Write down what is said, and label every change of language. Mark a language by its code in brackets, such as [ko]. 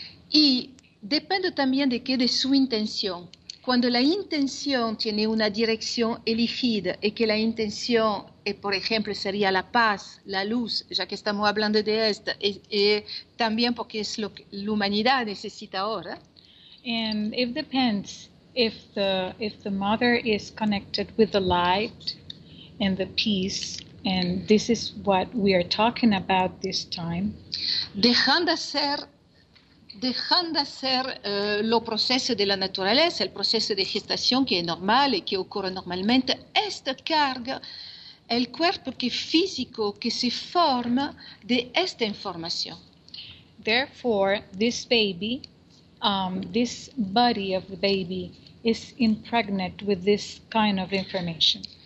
[es] Y depende también de qué, de su intención. Cuando la intención tiene una dirección elegida y que la intención, por ejemplo, sería la paz, la luz, ya que estamos hablando de esto, y también porque es lo que la humanidad necesita ahora. [en] And it depends if the mother is connected with the light and the peace, and this is what we are talking about this time. [es] Dejando ser lo proceso de la naturaleza, el proceso de gestación que es normal y que ocurre normalmente, esta carga el cuerpo que físico que se forma de esta información. [en] Therefore, this baby, this body of the baby, is impregnated with this kind of information.